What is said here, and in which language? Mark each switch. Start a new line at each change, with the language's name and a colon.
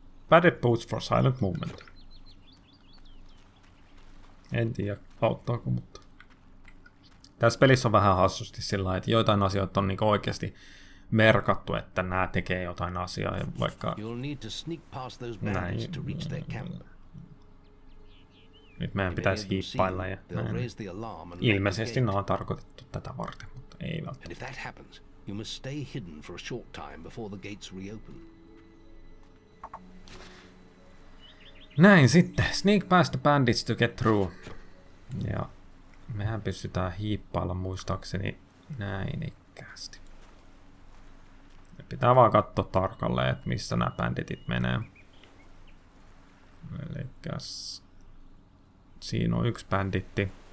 English: Padded boots for silent movement.
Finnish: En tiedä auttaako, mutta... Tässä pelissä on vähän hassusti sillä lailla, että joitain asioita on niinku oikeasti merkattu, että nää tekee jotain asiaa, ja vaikka...
English: You'll need to sneak past those bandits to reach their camp.
Finnish: Nyt meidän pitäisi hiippailla ja näin. Ilmeisesti nää on tarkoitettu tätä varten, mutta ei välttämättä.
English: You must stay hidden for a short time before the gates reopen.
Finnish: Näin sitten.
English: Sneak past the bandits to get through.
Finnish: Ja mehän pystytään hiippailla muistaakseni näin ikkäästi. Pitää vaan katsoa tarkalleen, että missä nämä banditit menee. Elikäs... Siinä on yksi banditti.